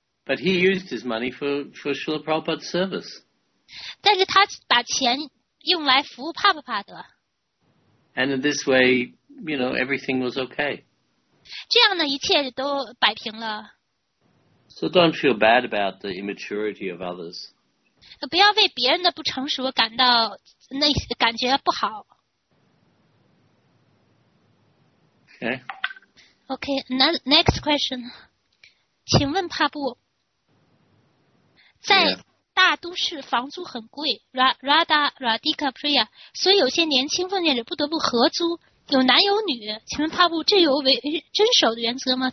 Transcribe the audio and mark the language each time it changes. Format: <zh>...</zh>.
<en>But he used his money for Srila Prabhupada's service.</en> <zh>但是他把钱用来服务帕布帕德。</zh> <en>And in this way, you know, everything was okay.</en> <zh>这样呢，一切都摆平了。</zh> <en>So don't feel bad about the immaturity of others.</en> <zh>不要为别人的不成熟感到那感觉不好。</zh> <en>Okay. Okay, next question.</en> <zh>请问帕布，在大都市房租很贵 ,Radhika Priya, 所以有些年轻奉献者不得不合租，有男有女，请问帕布，这有违遵守的原则吗？</zh>